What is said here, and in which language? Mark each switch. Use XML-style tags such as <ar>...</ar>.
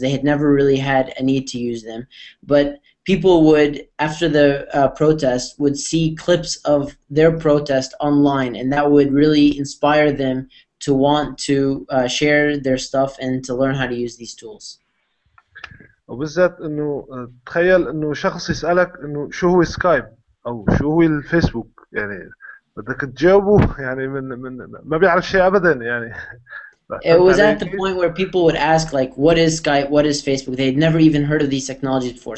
<en>They had never really had a need to use them, but people would, after the protest, would see clips of their protest online, and that would really inspire them to want to share their stuff and to learn how to use these tools.</en> <ar>وبالذات انه تخيل انه شخص يسألك انه شو هو سكايب او شو هو الفيسبوك، يعني بدك تجاوبه يعني من ما بيعرف شيء ابدا يعني.</ar> <en>It was at the point where people would ask, like, what is Skype, what is Facebook? They had never even heard of these technologies before.</en>